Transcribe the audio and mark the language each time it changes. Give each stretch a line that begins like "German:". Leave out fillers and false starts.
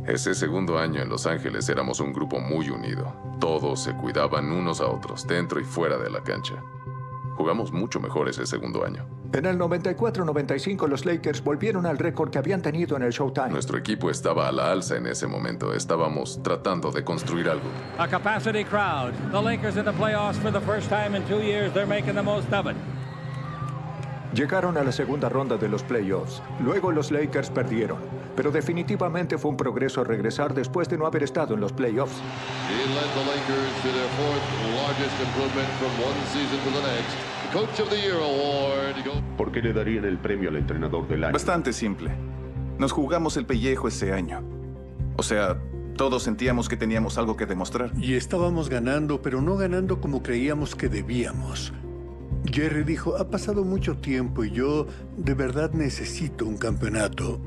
Spanish: Ese segundo año en Los Ángeles éramos un grupo muy unido. Todos se cuidaban unos a otros, dentro y fuera de la cancha. Jugamos mucho mejor ese segundo año. En el 94-95, los Lakers volvieron al récord que habían tenido en el Showtime. Nuestro equipo estaba a la alza en ese momento. Estábamos tratando de construir algo.
English: A capacity crowd. The Lakers in the playoffs for the first time in 2 years. They're making the most of it.
Spanish: Llegaron a la segunda ronda de los playoffs. Luego los Lakers perdieron. pero definitivamente fue un progreso regresar después de no haber estado en los playoffs.
English: He led the Lakers to their fourth largest improvement from one season to the next. Coach of the Year Award.
Spanish: ¿Por qué le darían el premio al entrenador del año? Bastante simple. Nos jugamos el pellejo ese año. O sea, todos sentíamos que teníamos algo que demostrar. Y estábamos ganando, pero no ganando como creíamos que debíamos. Jerry dijo, ha pasado mucho tiempo y yo de verdad necesito un campeonato.